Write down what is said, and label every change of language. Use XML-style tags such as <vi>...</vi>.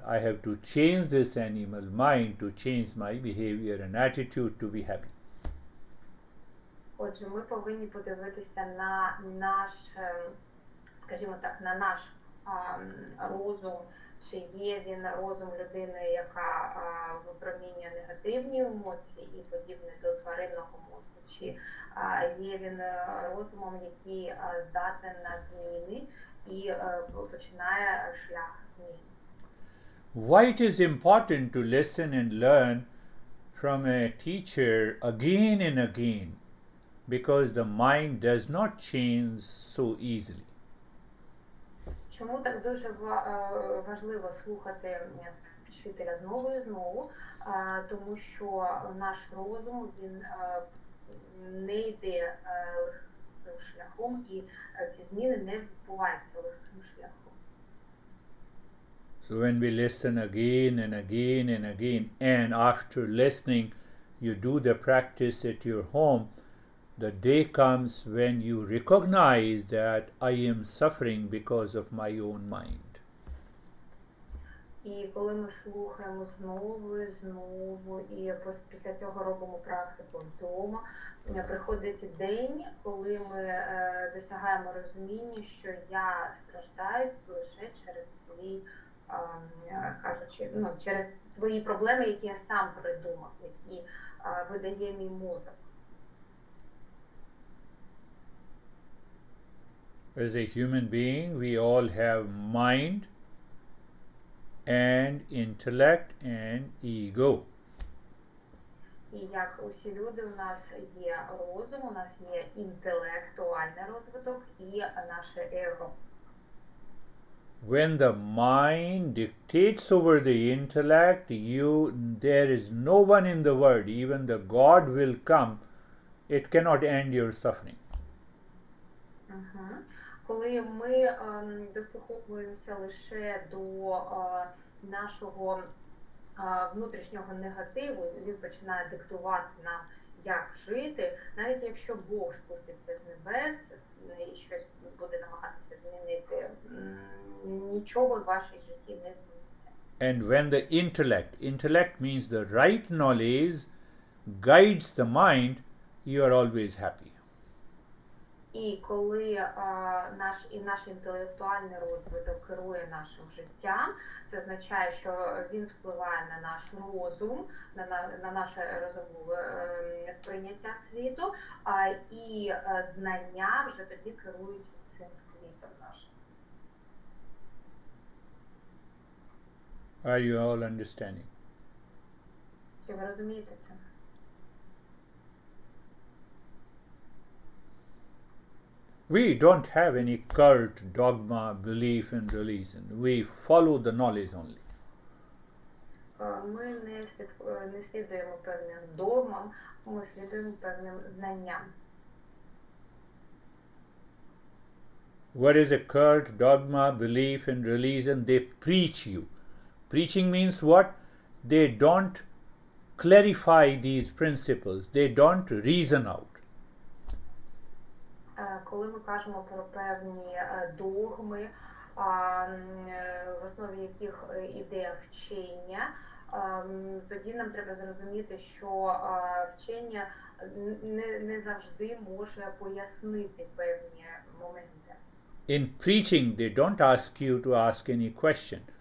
<en>I have to change this animal mind to change my behavior and attitude to be happy.</en> <uk>Отже, ми повинні подивитися на наш, скажімо так, на наш розум, чи є він розум людини, яка випромінює негативні емоції і подібне до тваринного мозку, чи є він розумом, який здатен на зміни і починає шлях змін.</uk> <en>Why it is important to listen and learn from a teacher again and again? Because the mind does not change so easily.</en> <uk>Чому так дуже важливо слухати вчителя знову і знову? Тому що наш розум, він не йде легким шляхом, і ці зміни не відбуваються легким шляхом.</uk> <en>So when we listen again and again and again, and after listening, you do the practice at your home, the day comes when you recognize that I am suffering because of my own mind.</en> <uk>І коли ми слухаємо знову і знову, і після цього робимо практику вдома, приходить день, коли ми досягаємо розуміння, що я страждаю лише через свій, кажучи, ну, через свої проблеми, які я сам придумав, які видає мій мозок.</uk> <en>As a human being, we all have mind and intellect and ego.</en> <uk>І як усі люди, у нас є розум, у нас є інтелектуальний розвиток і наше его.</uk> <en>When the mind dictates over the intellect, there is no one in the world, even the God will come, it cannot end your suffering.</en> <uk>Коли ми дослуховуємося лише до нашого внутрішнього негативу, він починає диктувати нам, як жити, навіть якщо Бог спуститься з небес і щось буде намагатися змінити, нічого в вашій житті не зміниться.</uk> <en>And when the intellect means the right knowledge, guides the mind, you are always happy.</en> <uk>І коли наш інтелектуальний розвиток керує нашим життям, це означає, що він впливає на наш розум, на наше розумове сприйняття світу, і знання вже тоді керують цим світом нашим.</uk> <en>Are you all understanding?</en> <uk>Чи ви розумієте це?</uk> <en>We don't have any cult, dogma, belief in religion. We follow the knowledge only.</en> <uk>Ми не слідуємо певним догмам, ми слідуємо певним знанням.</uk> <en>What is a cult, dogma, belief in religion? They preach you. Preaching means what? They don't clarify these principles. They don't reason out.</en> <uk>Коли ми кажемо про певні догми, в основі яких іде вчення, тоді нам треба зрозуміти, що вчення не завжди може пояснити певні моменти.</uk> <en>In preaching, they don't ask you to ask any question.</en>